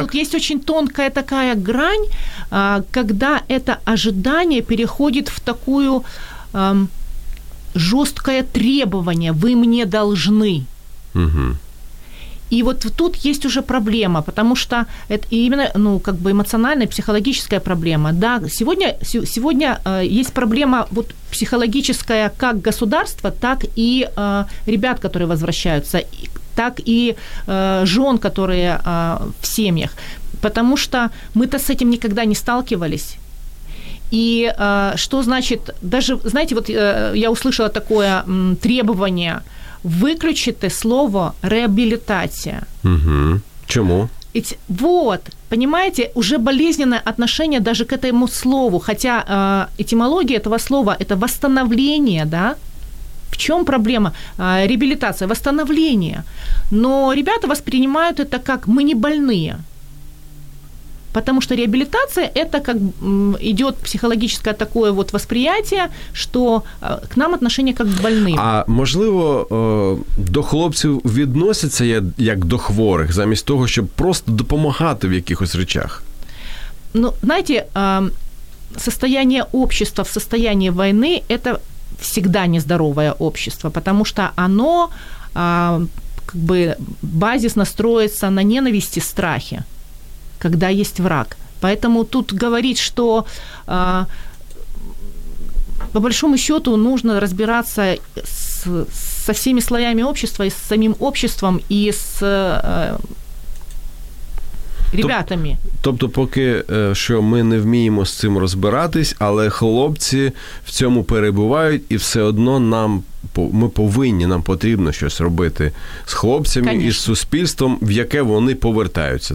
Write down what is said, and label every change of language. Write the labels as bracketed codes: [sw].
[uk] Тут є дуже тонка така грань, коли це ожидання переходить в таку жорстке требування: «Ви мені должны». Угу. [ru] И вот тут есть уже проблема, потому что это именно, ну, как бы эмоциональная, психологическая проблема. Да, сегодня есть проблема вот психологическая как государства, так и ребят, которые возвращаются, так и жен, которые в семьях. Потому что мы-то с этим никогда не сталкивались. И что значит, даже, знаете, вот я услышала такое требование: выключите слово «реабилитация». Угу. Чему? Вот, понимаете, уже болезненное отношение даже к этому слову, хотя этимология этого слова – это восстановление, да? В чем проблема? Реабилитация, восстановление. Но ребята воспринимают это как «мы не больные». Потому что реабилитация – это как идет психологическое такое вот восприятие, что к нам отношение как к больным. [uk] А, можливо, до хлопців відносяться як до хворих, замість того, щоб просто допомагати в якихось речах? [ru] Ну, знаете, состояние общества в состоянии войны – это всегда нездоровое общество, потому что оно, как бы, базис настроится на ненависти, страхе, когда есть враг. Поэтому тут говорить, что по большому счету нужно разбираться со всеми слоями общества, и с самим обществом, и с ребятами. [uk] Тобто поки що ми не вміємо з цим розбиратись, але хлопці в цьому перебувають, і все одно нам потрібно щось робити з хлопцями. [ru] Конечно. [uk] І з суспільством, в яке вони повертаються.